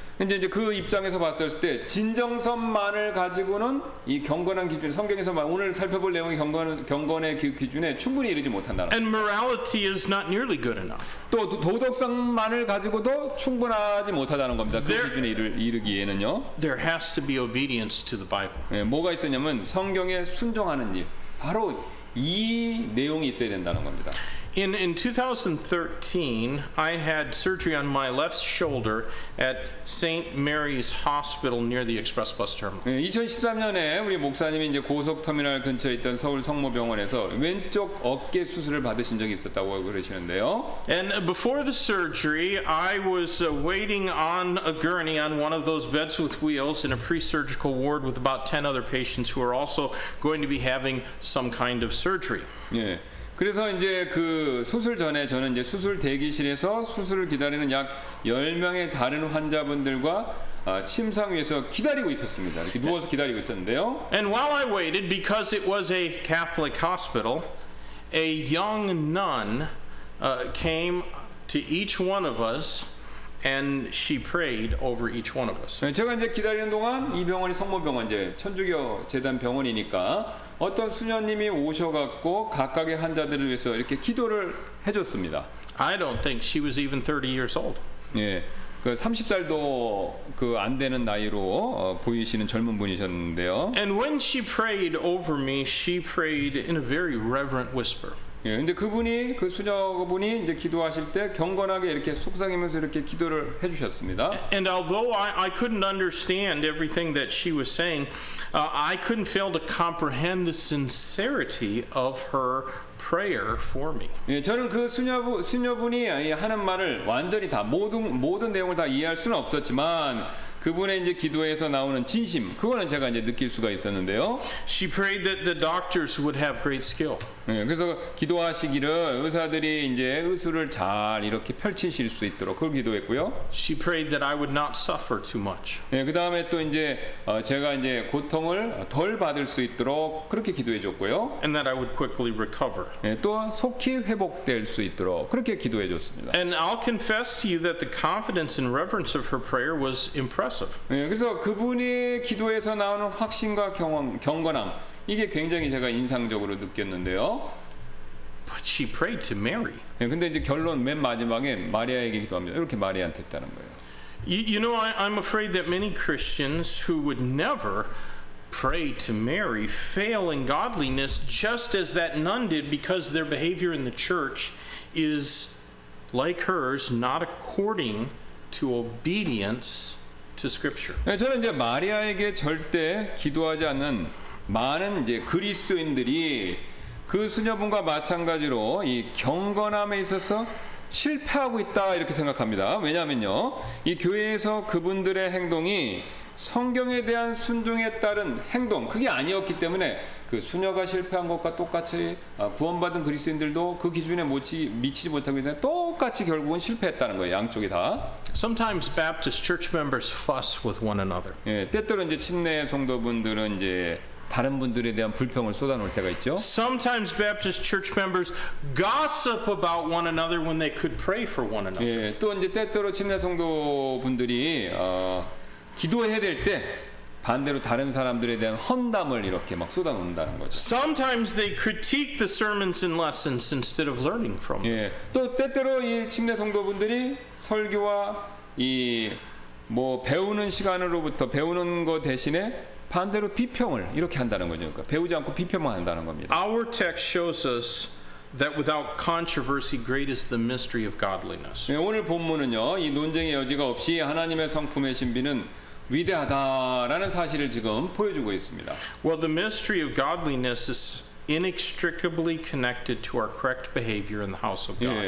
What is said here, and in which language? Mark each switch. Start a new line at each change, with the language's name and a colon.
Korean: 근데 이제 그 입장에서 봤을 때 진정성만을 가지고는 이 경건한 기준 성경에서 말 오늘 살펴볼 내용이 경건의 기준에 충분히 이르지 못한다.
English: And morality is not nearly good enough.
Korean: 또 도덕성만을 가지고도 충분하지 못하다는 겁니다. 그 기준에 이르기에는요.
English: There has to be obedience to the Bible.
Korean: 예, 뭐가 있었냐면 성경에 순종하는 일. 바로 이 내용이 있어야 된다는 겁니다.
English: In 2013, I had surgery on my left shoulder at St. Mary's Hospital near the express bus terminal.
Korean: 2013년에 우리 목사님이 이제 고속 터미널 근처에 있던 서울 성모병원에서 왼쪽 어깨 수술을 받으신 적이 있었다고 그러시는데요.
English: And before the surgery, I was waiting on a gurney on one of those beds with wheels in a pre-surgical ward with about 10 other patients who are also going to be having some kind of surgery.
Korean: 예. 그래서 이제 그 수술 전에 저는 이제 수술 대기실에서 수술을 기다리는 약 10명의 다른 환자분들과 침상 위에서 기다리고 있었습니다. 이렇게 누워서 기다리고 있었는데요.
English: And while I waited, because it was a Catholic hospital, a young nun came to each one of us and she prayed over each one of us.
Korean: 제가 이제 기다리는 동안 이 병원이 성모병원, 이제 천주교 재단 병원이니까 어떤 수녀님이 오셔갖고 각각의 환자들을 위해서 이렇게 기도를 해줬습니다.
English: I don't think she was even 30 years old.
Korean: 예, 그 30살도 그 안 되는 나이로 보이시는 젊은 분이셨는데요.
English: And when she prayed over me, she prayed in a very reverent whisper.
Korean: 예, 근데 그분이 그 수녀분이 이제 기도하실 때 경건하게 이렇게 속삭이면서 이렇게 기도를 해주셨습니다.
English: And although I couldn't understand everything that she was saying, I couldn't fail to comprehend the sincerity of her prayer for me.
Korean: 예, 저는 그 수녀분이 하는 말을 완전히 다 모든 내용을 다 이해할 수는 없었지만 그분의 이제 기도에서 나오는 진심, 그거는 제가 이제 느낄 수가 있었는데요.
English: She prayed that the doctors would have great skill.
Korean: 네, 그래서 기도하시기를 의사들이 이제 의술을 잘 이렇게 펼치실 수 있도록 그걸 기도했고요.
English: She prayed that I would not suffer too much.
Korean: 네, 그 다음에 또 이제 제가 이제 고통을 덜 받을 수 있도록 그렇게 기도해줬고요.
English: And that I would quickly recover.
Korean: 네, 또 속히 회복될 수 있도록 그렇게 기도해줬습니다.
English: And I'll confess to you that the confidence and reverence of her prayer was impressive.
Korean: 네, 그래서 그분이 기도에서 나오는 확신과 경건함. 이게 굉장히 제가 인상적으로 느꼈는데요.
English: But she prayed to Mary.
Korean: 예, 근데 이제 결론 맨 마지막에 마리아에게 기도합니다. 이렇게 마리아한테 했다는 거예요.
English: You know, I'm afraid that many Christians who would never pray to Mary fail in godliness just as that nun did because their behavior in the church is like hers, not according to obedience to Scripture.
Korean: 예, 저는 이제 마리아에게 절대 기도하지 않는 많은 이제 그리스도인들이 그 수녀분과 마찬가지로 이 경건함에 있어서 실패하고 있다 이렇게 생각합니다. 왜냐하면요, 이 교회에서 그분들의 행동이 성경에 대한 순종에 따른 행동 그게 아니었기 때문에 그 수녀가 실패한 것과 똑같이 구원받은 그리스도인들도 그 기준에 미치지 못하기 때문에 똑같이 결국은 실패했다는 거예요. 양쪽이 다.
English: Sometimes Baptist church members fuss with one another.
Korean: 예, 때때로 이제 침례 성도분들은 이제 다른 분들에 대한 불평을 쏟아놓을 때가 있죠.
English: Sometimes Baptist church members gossip about one another when they could pray for one another.
Korean: 예, 또 이제 때때로 침례 성도분들이 기도해야 될 때 반대로 다른 사람들에 대한 험담을 이렇게 막 쏟아놓는다는 거죠.
English: Sometimes they critique the sermons and lessons instead of learning from them.
Korean: 예, 또 때때로 이 침례 성도분들이 설교와 이 뭐 배우는 시간으로부터 배우는 거 대신에 반대로 비평을 이렇게 한다는 거죠. 그러니까 배우지 않고 비평만 한다는 겁니다.
English: Our text shows us that without controversy, great is the mystery of godliness.
Korean: 네, 오늘 본문은요, 이 논쟁의 여지가 없이 하나님의 성품의 신비는 위대하다라는 사실을 지금 보여주고 있습니다.
English: Well, the mystery of godliness is inextricably connected to our correct behavior in the house of God.